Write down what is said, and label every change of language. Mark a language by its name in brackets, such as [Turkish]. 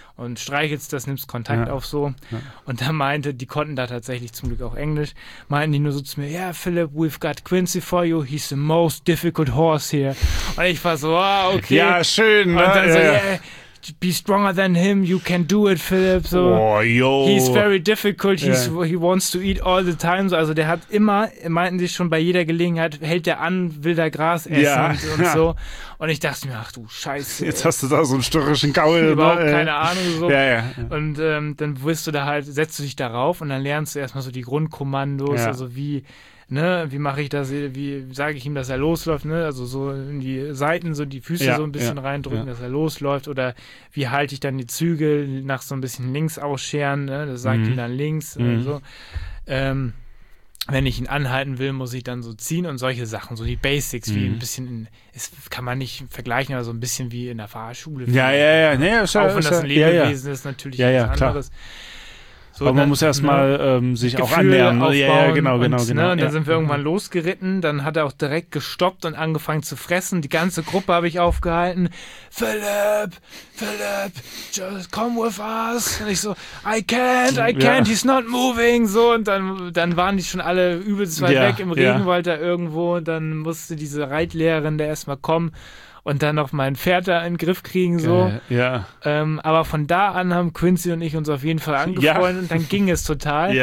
[German] Und streichelst das, nimmst Kontakt auf so. Ja. Und da meinte, die konnten da tatsächlich zum Glück auch Englisch, meinten die nur so zu mir, ja, Philip, [English] we've got Quincy for you, he's the most difficult horse here. [German] Und ich war so, ah, oh, okay. Ja, schön. Und dann ne? [English] so, yeah. Be stronger than him, you can do it, Philip. So, oh, yo. He's very difficult, he's, yeah. he wants to eat all the time. [German] So, also der hat immer, meinten sie schon, bei jeder Gelegenheit, hält der an, will da Gras essen ja. und so. Und ich dachte mir, ach du Scheiße. Jetzt hast du da so einen störrischen Gaul. Überhaupt ne? keine Ahnung. So. Ja, ja. Und dann wirst du da halt, setzt du dich darauf und dann lernst du erstmal so die Grundkommandos, ja. also wie... Ne, wie mache ich das, wie sage ich ihm, dass er losläuft, ne? Also so in die Seiten, so die Füße ja, so ein bisschen ja, reindrücken, ja. dass er losläuft oder wie halte ich dann die Zügel nach so ein bisschen links ausscheren, ne? Das sagt ihm dann links und so. Wenn ich ihn anhalten will, muss ich dann so ziehen und solche Sachen, so die Basics, wie ein bisschen, das kann man nicht vergleichen, aber so ein bisschen wie in der Fahrschule. Ja, ja, ja. Ne? Ja, ja, auch wenn das ein Lebewesen ist, natürlich ja, was anderes. Klar. So, aber man dann, muss erstmal sich auch annähern. Ja, ja, genau, genau. Und, genau. Ne, und dann ja. sind wir irgendwann losgeritten. Dann hat er auch direkt gestoppt und angefangen zu fressen. Die ganze Gruppe habe ich aufgehalten. [English] Philip, Philip, just come with us. [German] Und ich so, [English] I can't, ja. he's not moving. [German] So, und dann waren die schon alle übelst weit ja, weg im ja. Regenwald da irgendwo. Und dann musste diese Reitlehrerin da erstmal kommen. Und dann noch mein Pferd da in den Griff kriegen, so. Ja. Aber von da an haben Quincy und ich uns auf jeden Fall angefreundet ja. und dann ging es total.